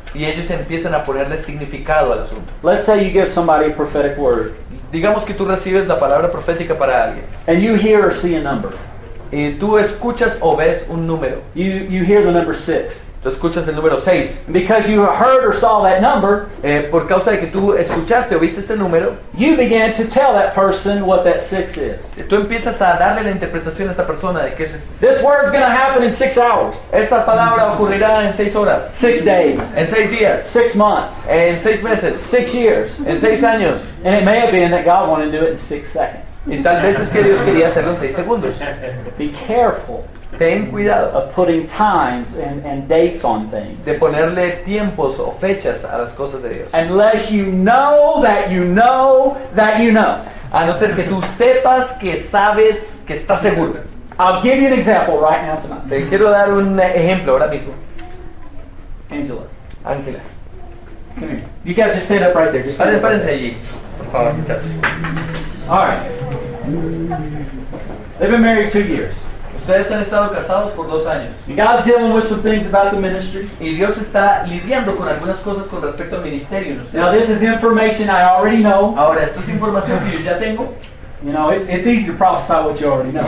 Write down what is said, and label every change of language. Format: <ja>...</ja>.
<es>Y ellos empiezan a ponerle significado al asunto.</es> <en>Let's say you give somebody a prophetic word.</en> <es>Digamos que tú recibes la palabra profética para alguien.</es> <en>And you hear or see a number.</en> <es>Y tú escuchas o ves un número.</es> <en>You hear the number 6.</en> <es>escuchas el número 6.</es> <en>Because you heard or saw that number,</en> <es>por causa de que tú escuchaste o viste este número,</es> <en>you began to tell that person what that 6 is.</en> <es>Tú empiezas a darle la interpretación a esta persona de qué es este.</es> <en>This word's going to happen in 6 hours.</en> <es>Esta palabra ocurrirá en 6 horas.</es> <en>6 days.</en> <es>En 6 días.</es> <en>6 months.</en> <es>En 6 meses.</es> <en>6 years.</en> <es>En 6 años.</es> <en>And it may have been that God wanted to do it in 6 seconds.</en> <es>Y tal vez es que Dios quería hacerlo en 6 segundos.</es> <en>Be careful.</en> <es>Ten cuidado</es> <en>of putting times and dates on things.</en> <es>De ponerle tiempos o fechas a las cosas de Dios.</es> <en>Unless you know that you know that you know.</en> <es>A no ser que tú sepas que sabes que estás seguro.</es> <en>I'll give you an example right now tonight.</en> <es>Te quiero dar un ejemplo ahora mismo.</es> <en>Angela.</en> <es>Angela.</es> <en>Come here. You guys just stand up right there. Just stand up.</en> <es>Párense allí. Por favor, muchachos.</es> <en>All right. They've been married 2 years.</en> <es>Ustedes han estado casados por 2 años.</es> <en>God's dealing with some things about the ministry.</en> <es>Y Dios está lidiando con algunas cosas con respecto al ministerio.</es> <en>Now this is information I already know.</en> <es>Ahora esto es información que yo ya tengo.</es> <en>You know, it's easy to prophesy what you already know.</en>